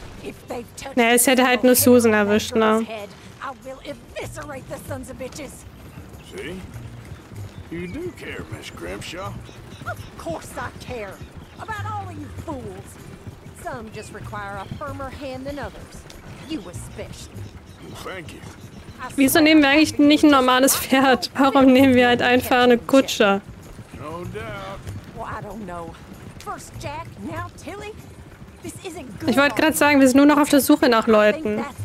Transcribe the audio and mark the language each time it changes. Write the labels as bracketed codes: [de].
[en] If they've touched her, [de] es hätte halt nur Susan erwischt, ne? Head, [en] I will eviscerate the sons of bitches. See? You do care, Miss Grimshaw. Of course I care. About all of you fools. Some just require a firmer hand than others. You especially. Well, thank you. [de] Wieso nehmen wir eigentlich nicht ein normales Pferd? Warum nehmen wir halt einfach eine Kutsche? [en] No doubt. Well, I don't know. First Jack, now Tilly. [de] Ich wollte gerade sagen, wir sind nur noch auf der Suche nach Leuten.